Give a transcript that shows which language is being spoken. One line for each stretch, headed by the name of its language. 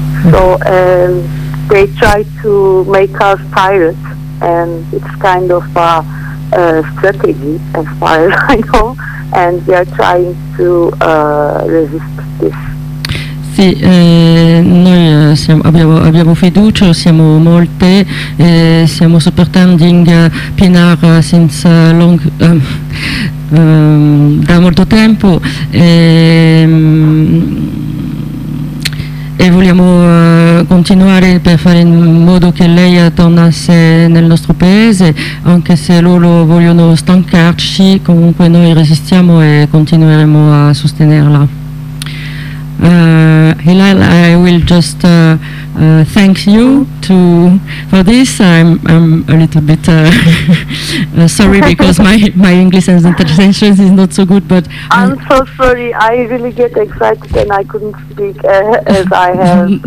English: So they try to make us pirates, and it's kind of a strategy as far as I know, and we are trying to resist this.
Italian: Sì, noi abbiamo fiducia, siamo molte, stiamo
English: supporting Pınar since long,
Italian: da molto tempo, e vogliamo continuare per fare in modo che lei tornasse nel nostro paese, anche se loro vogliono stancarci, comunque noi resistiamo e continueremo a sostenerla.
English: Hilal, I will just thank you for this. I'm a little bit sorry because my English and interpretation is not so good. But I'm so sorry. I really get excited and I couldn't speak as I have.